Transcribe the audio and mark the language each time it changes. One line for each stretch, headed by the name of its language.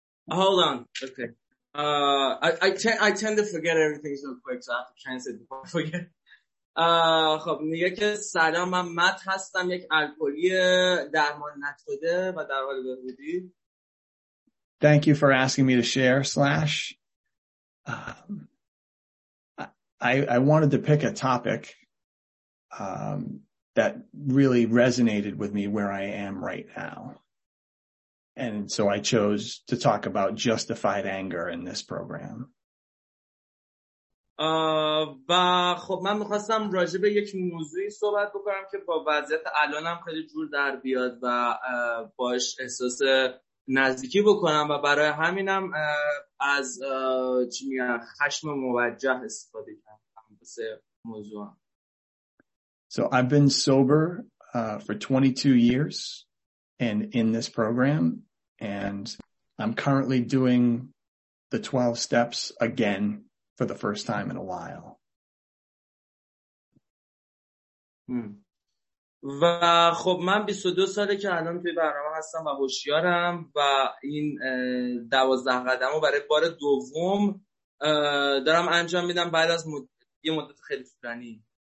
English: Hold on. Okay. I tend to forget everything so quick, so I have to translate before I forget.
Persian: خب میگه که سلام، من مت هستم، یک الکلی درمان نشده و در حال بهبودی.
English: Thank you for asking me to share slash. I wanted to pick a topic that really resonated with me where I am right now. And so I chose to talk about justified anger in this program.
Persian: و خب من می‌خواستم راجع به یک موضوعی صحبت بکنم که با وضعیت الانم خیلی جور در بیاد و باش احساس نزدیکی بکنم و برای همینم از چی میگن خشم موجه استفاده کردم واسه موضوع.
English: So I've been sober for 22 years and in this program, and I'm currently doing the 12 steps again for the first time in a while.
Persian: و خب من 22 ساله که الان توی برنامه هستم و هوشیارم و این 12 قدمو برای بار دوم دارم انجام میدم بعد از یه مدت خیلی طولانی.